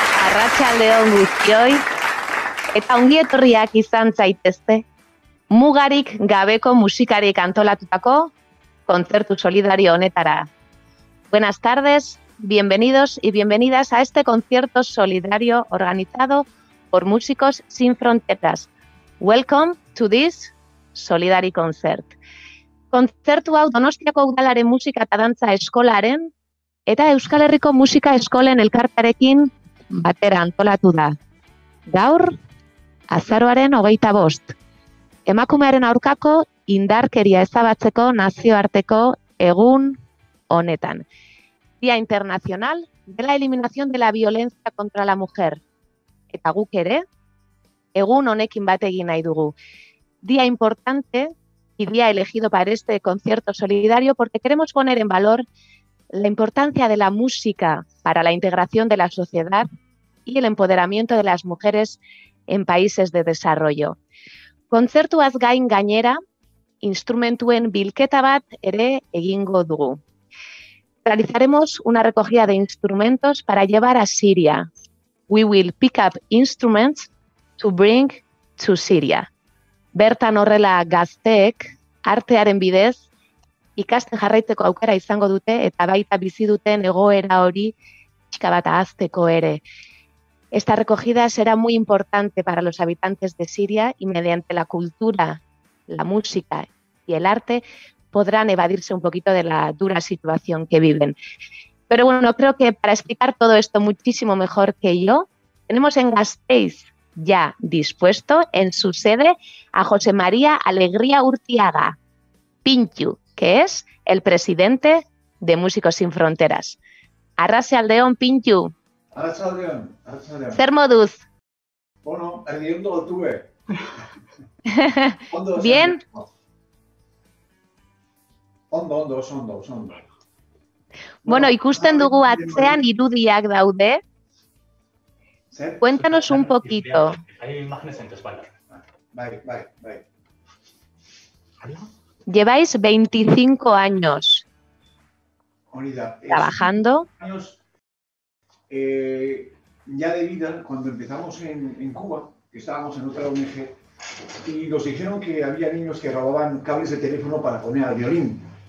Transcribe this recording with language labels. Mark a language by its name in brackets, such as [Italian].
[Basque] Arratsaldeon guztioi, eta ongi etorriak izan zaitezte, mugarik gabeko musikarik antolatutako kontzertu solidario honetara. [Spanish] Buenas tardes, bienvenidos y bienvenidas a este concierto solidario organizado por Músicos Sin Fronteras. [English] Welcome to this Solidari Concert. [Basque] Kontzertu hau Donostiako Udalaren Musika eta Dantza Eskolaren eta Euskal Herriko Musika Eskolen elkartarekin batera antolatu da. Gaur, azaroaren 25, emakumearen aurkako indarkeria ezabatzeko nazioarteko egun honetan. [Spanish] Día Internacional de la Eliminación de la Violencia contra la Mujer. [Basque] Eta guk ere, egun honekin bat egin nahi dugu. [Spanish] Día importante y día elegido para este concierto solidario porque queremos poner en valor la importancia de la música para la integración de la sociedad y el empoderamiento de las mujeres en países de desarrollo. [Basque] Kontzertuaz gain gainera, instrumentuen bilketa bat ere egingo dugu. [Spanish] Realizaremos una recogida de instrumentos para llevar a Siria. [English] We will pick up instruments to bring to Syria. [Basque] Bertan horrela gazteek, artearen bidez, ikasten jarraitzeko aukera izango dute eta baita bizi duten egoera hori pixka bat ahazteko ere. [Spanish] Esta recogida será muy importante para los habitantes de Siria y mediante la cultura, la música y el arte podrán evadirse un poquito de la dura situación que viven. Pero bueno, creo que para explicar todo esto muchísimo mejor que yo, tenemos en Gasteiz ya dispuesto en su sede a José María Alegría Urtiaga, Pintxu, que es el presidente de Músicos Sin Fronteras. [Basque] Arratsaldeon, Pintxu. Arratsaldeon, arratsaldeon. Zer moduz? [Spanish] Bueno, erdiendo lo tuve. Bien. [Basque] Ondo, ondo, oso ondo, oso ondo. Bueno, ikusten dugu atzean irudiak daude. Zer? [Spanish] Cuéntanos un poquito. Hay imágenes en tu espalda. [Basque] Bai, bai, bai. [Spanish] Lleváis 25 años Olida, trabajando. Años, ya de vida, cuando empezamos en Cuba, que estábamos en otra ONG, y nos dijeron que había niños que robaban cables de teléfono para poner al violín.